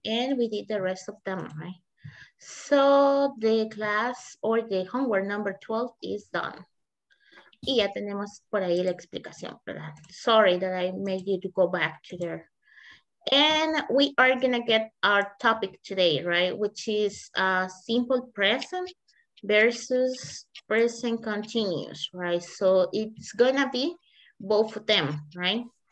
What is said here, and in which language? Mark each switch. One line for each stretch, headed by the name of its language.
English: And we did the rest of them, right? So the class or the homework number 12 is done.
Spanish: Y ya tenemos por ahí la explicación, ¿verdad?
English: Sorry that I made you to go back to there. And we are gonna get our topic today, right? Which is simple present versus present continuous, right? So it's gonna be both of them, right?